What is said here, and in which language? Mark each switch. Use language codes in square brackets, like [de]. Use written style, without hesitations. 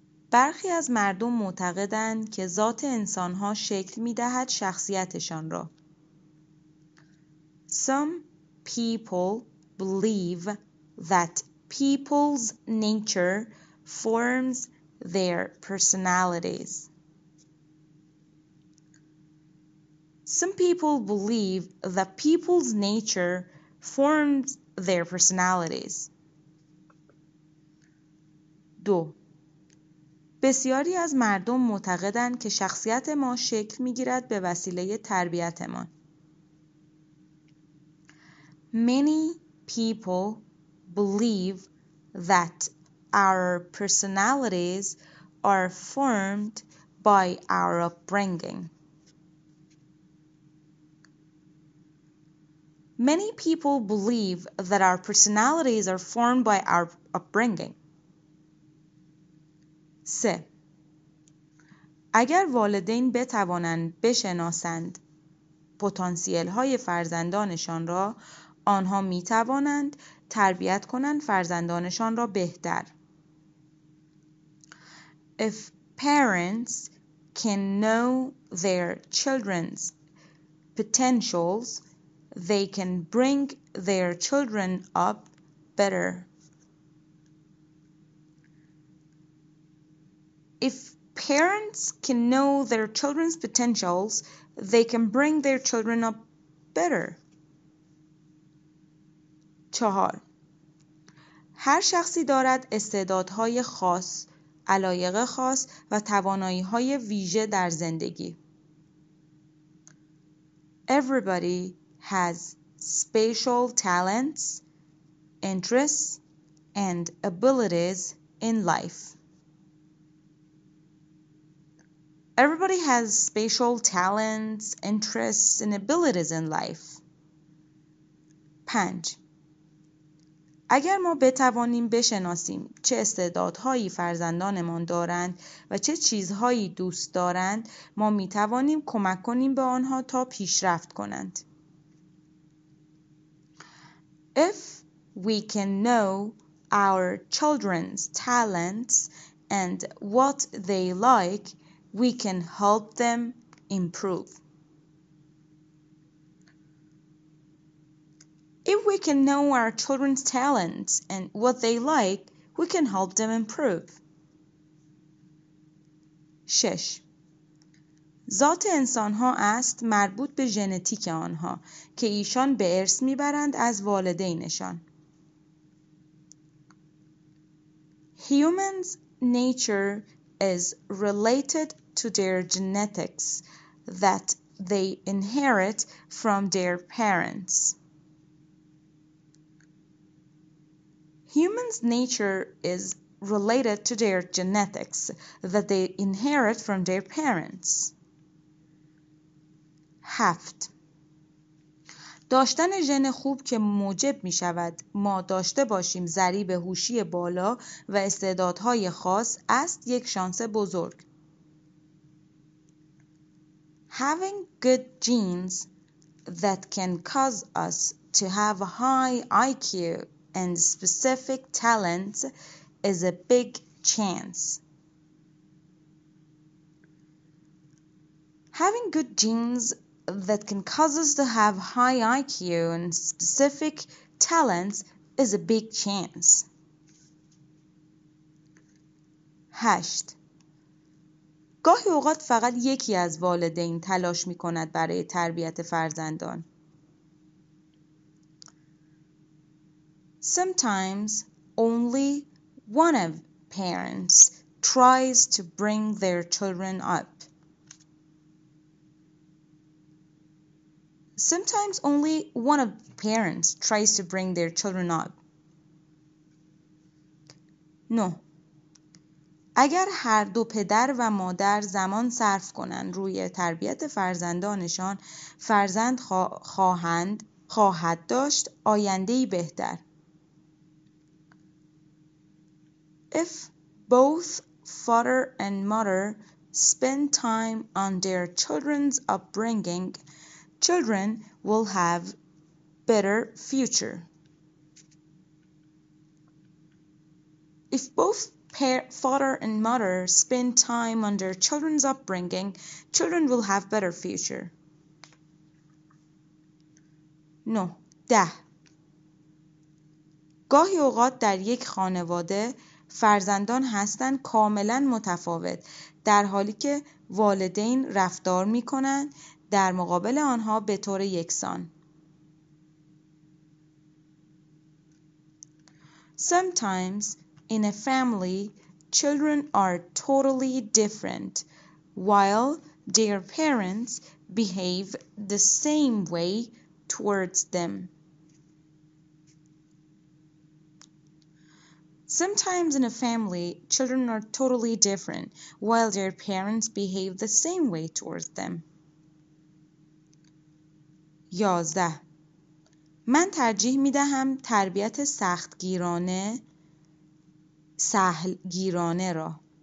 [fa] برخی از مردم معتقدند که ذات انسانها شکل می‌دهد شخصیتشان را. [en] Some people believe that people's nature forms their personalities. Some people believe that people's nature forms their personalities. [fa] 2. بسیاری از مردم معتقدند که شخصیت ما شکل می‌گیرد به وسیله تربیتمان. [en] Many people believe that our personalities are formed by our upbringing. Many people believe that our personalities are formed by our upbringing. [fa] 3. اگر والدین بتوانند بشناسند پتانسیل‌های فرزندانشان را، آنها می‌توانند تربیت کنند فرزندانشان را بهتر. [en] If parents can know their children's potentials, they can bring their children up better. If parents can know their children's potentials, they can bring their children up better. [fa] 4. هر شخصی دارد استعدادهای خاص، علایق خاص و توانایی‌های ویژه در زندگی. [en] Everybody has special talents, interests, and abilities in life. Everybody has special talents, interests, and abilities in life. [fa] 5. اگر ما بتوانیم بشناسیم چه استعدادهایی فرزندانمان دارند و چه چیزهایی دوست دارند، ما می توانیم کمک کنیم به آنها تا پیشرفت کنند. [en] If we can know our children's talents and what they like, we can help them improve. If we can know our children's talents and what they like, we can help them improve. [fa] 6. ذات انسان‌ها است مربوط به ژنتیک آنها که ایشان به ارث می‌برند از والدینشان. [en] Humans' nature is related to their genetics that they inherit from their parents. Humans' nature is related to their genetics that they inherit from their parents. [fa] 7. داشتن ژن خوب که موجب می شود ما داشته باشیم ضریب هوشی بالا و استعدادهای خاص است یک شانس بزرگ. [en] Having good genes that can cause us to have high IQ and specific talents is a big chance. Having good genes that can cause us to have high IQ and specific talents is a big chance. [fa] 8. گاهی اوقات فقط یکی از والدین تلاش می کند برای تربیت فرزندان. [en] Sometimes only one of parents tries to bring their children up. Sometimes only one of parents tries to bring their children up. No. [fa] اگر هر دو پدر و مادر زمان صرف کنند روی تربیت فرزندانشان، فرزند خواهد داشت آینده‌ای بهتر. [en] If both father and mother spend time on their children's upbringing, children will have better future. If both father and mother spend time on their children's upbringing, children will have better future. [fa] No, ده. گاهی اوقات در یک خانواده فرزندان هستند کاملا متفاوت، در حالی که والدین رفتار می کنند در مقابل آنها به طور یکسان. [en] Sometimes in a family, children are totally different while their parents behave the same way towards them. Sometimes in a family, children are totally different while their parents behave the same way towards them. [fa] 11. من ترجیح می دهم تربیت سختگیرانه سهلگیرانه را.